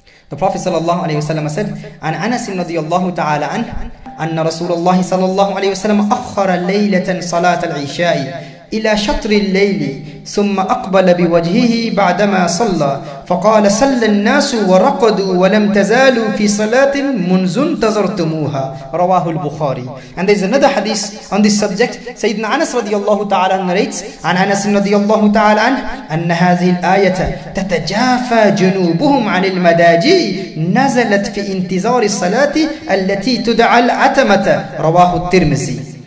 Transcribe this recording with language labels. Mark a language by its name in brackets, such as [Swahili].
[English] The Prophet sallallahu alayhi wa sallam said, [Arabic] عن أنس رضي الله تعالى عنه أن رسول الله صلى الله عليه وسلم أخر ليلة صلاة العشاء إلى شطر الليل ثم أقبل بوجهه بعدما صلى فقال صلى الناس ورقدوا ولم تزالوا في صلاة منذ انتظرتموها رواه البخاري. [English] And there is another hadith on this subject. Sayyidina Anas radiyallahu ta'ala narrates, [Arabic] عن Anas radiyallahu ta'ala عنه أن هذه الآية تتجافى جنوبهم عن المداجع نزلت في انتظار الصلاة التي تدعى العتمة رواه الترمذي.